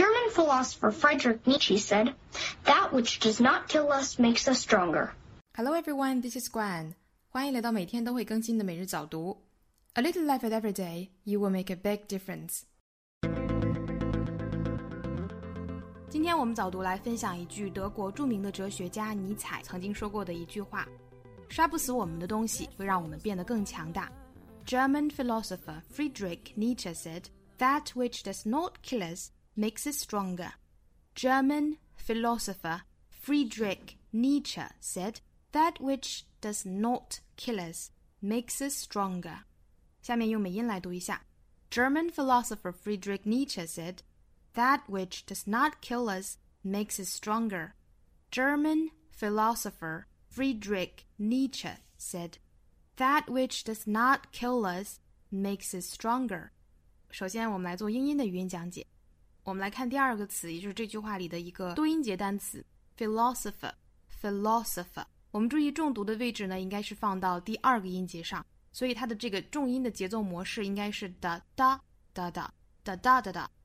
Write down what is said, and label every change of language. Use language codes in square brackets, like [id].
[en] philosopher Friedrich Nietzsche said, "That which does not kill us makes us stronger." Hello everyone, this is Gwen. [zh] 欢迎来到每天都会更新的每日早读。 [en] A little life at every day, you will make a big difference. [zh] 今天我们早读来分享一句德国著名的哲学家尼采曾经说过的一句话：杀不死我们的东西会让我们变得更强大。 [en] German philosopher Friedrich Nietzsche said, "That which does not kill us makes us stronger." German philosopher Friedrich Nietzsche said, "That which does not kill us makes us stronger." [zh] 下面用美音来读一下。 [en] German philosopher Friedrich Nietzsche said, "That which does not kill us makes us stronger." German philosopher Friedrich Nietzsche said,That which does not kill us makes us stronger. [zh] 首先我们来做英音的语音讲解。我们来看第二个词，也就是这句话里的一个多音节单词 philosopher, philosopher. 我们注意重读的位置呢，应该是放到第二个音节上，所以它的这个重音的节奏模式应该是 da da da da da da da da.